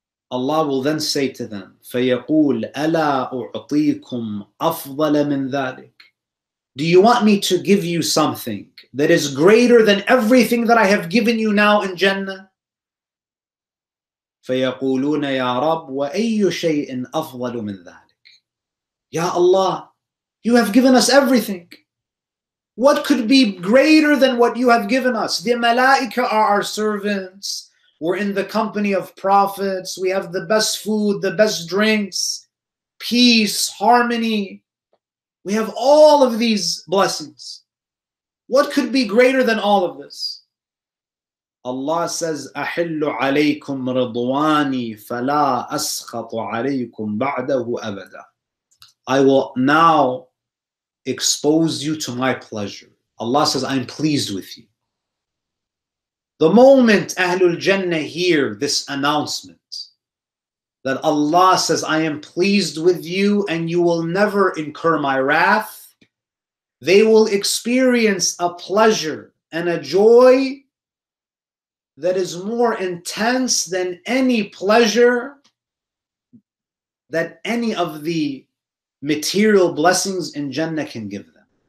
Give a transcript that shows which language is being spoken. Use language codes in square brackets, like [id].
[en] Allah will then say to them, [ar] فَيَقُولْ أَلَا أُعْطِيكُمْ أَفْضَلَ مِنْ ذَلِكَ. [en] Do you want me to give you something that is greater than everything that I have given you now in Jannah? [ar] فَيَقُولُونَ يَا رَبْ وَأَيُّ شَيْءٍ أَفْضَلُ مِنْ ذَلِكَ. Ya Allah, [en] you have given us everything. What could be greater than what you have given us? The malaika are our servants. We're in the company of prophets. We have the best food, the best drinks, peace, harmony. We have all of these blessings. What could be greater than all of this? Allah says, [ar] أَحِلُّ عَلَيْكُمْ رِضْوَانِي فَلَا أَسْخَطُ عَلَيْكُمْ بَعْدَهُ أَبَدًا. [en] I will now expose you to my pleasure. Allah says, I'm pleased with you. The moment Ahlul Jannah hear this announcement that Allah says, I am pleased with you and you will never incur my wrath, they will experience a pleasure and a joy that is more intense than any pleasure that any of the material blessings in Jannah can give them.